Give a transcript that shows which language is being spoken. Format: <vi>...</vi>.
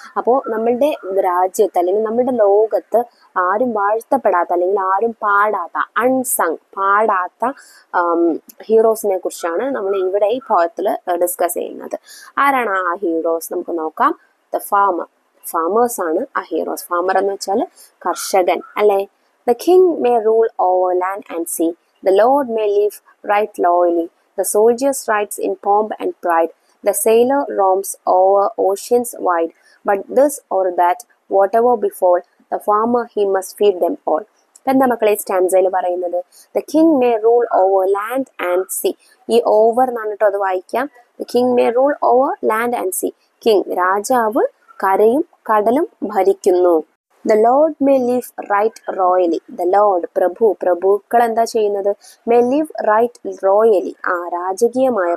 <ml>അപ്പോൾ നമ്മളുടെ രാജ്യത്ത് അല്ലെങ്കിൽ നമ്മളുടെ ലോകത്ത് ആരും വാഴ്ത്തപ്പെടാത്ത അല്ലെങ്കിൽ ആരും പാടാത്ത അൺസങ് പാടാത്ത ഹീറോസിനെ കുറിച്ചാണ് നമ്മൾ ഇവിടെ ഈ പോയത്തിൽ ഡിസ്കസ് ചെയ്യുന്നത്. ആരാണ് ആ ഹീറോസ് നമുക്ക് നോക്കാം. ദ ഫാമർ, ഫാമേഴ്സ് ആണ് ആ ഹീറോസ്. ഫാമർ എന്ന് വെച്ചാൽ കർഷകൻ അല്ലേ.</ml> <en>The king may rule over land and sea. The lord may live right loyally. The soldiers rides in pomp and pride. The sailor roams over oceans wide, but this or that, whatever befall, the farmer, he must feed them all.</en> <ml>എന്താ മക്കളെ സ്റ്റാൻസയില് പറയുന്നത്?</ml> <en>The king may rule over land and sea.</en> <ml>ഈ over എന്നാണ് കേട്ടോ അത് വായിക്കാം.</ml> <en>The king may rule over land and sea.</en> <ml>King രാജാവ് കരയും കടലും ഭരിക്കുന്നു.</ml> <en>The lord may live right royally.</en> <ml>The Lord പ്രഭു, പ്രഭുക്കൾ എന്താ ചെയ്യുന്നത്?</ml> <en>may live right royally,</en> <ml>ആ രാജകീയമായി.</ml>